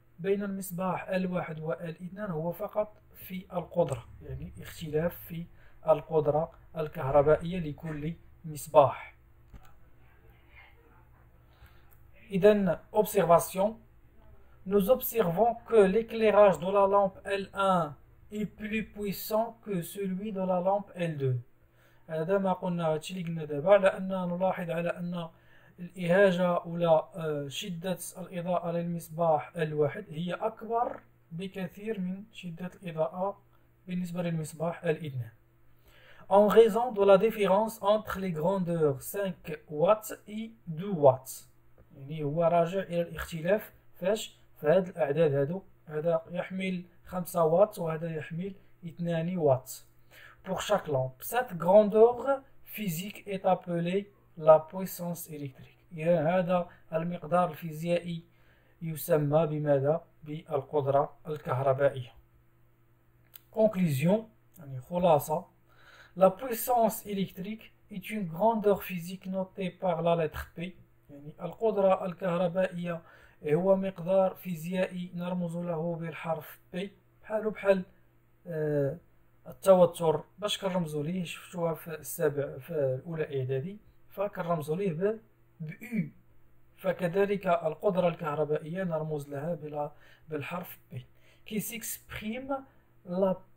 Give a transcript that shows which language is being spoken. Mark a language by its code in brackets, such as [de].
[ar] بين المصباح الواحد والاثنان هو فقط في القدرة، يعني اختلاف في القدرة الكهربائية لكل مصباح. [fr] إذن observation, nous observons que l'éclairage de la lampe L1 est plus puissant que celui de la lampe L2. [ar] هذا ما قلنا تشيلي قلنا دابا، على أن نلاحظ على أن الإهاجة ولا شدة الإضاءة للمصباح الواحد هي أكبر بكثير من شدة الإضاءة بالنسبة للمصباح الاثنان. [fr] En raison de la différence entre les grandeurs 5 watts et 2 watts. [ar] يعني هو راجع إلى الاختلاف فاش في هذه الأعداد، هادو هذا يحمل 5 واط وهذا يحمل 2 واط. [fr] Pour chaque lampe, cette grandeur physique est appelée la puissance électrique. [ar] يعني هذا المقدار الفيزيائي يسمى بماذا؟ بالقدرة الكهربائية. Conclusion, يعني خلاصة. [fr] La puissance électrique est une grandeur physique notée par la lettre P. [ar] يعني القدرة الكهربائية هو مقدار فيزيائي نرمز له بالحرف P، بحالو بحال التوتر باش كنرمزو ليه، شفتوها في السابع في الأولى إعدادي فكنرمزو ليه ب U، فكذلك القدرة الكهربائية نرمز لها بالحرف P كي سيكسبريم لا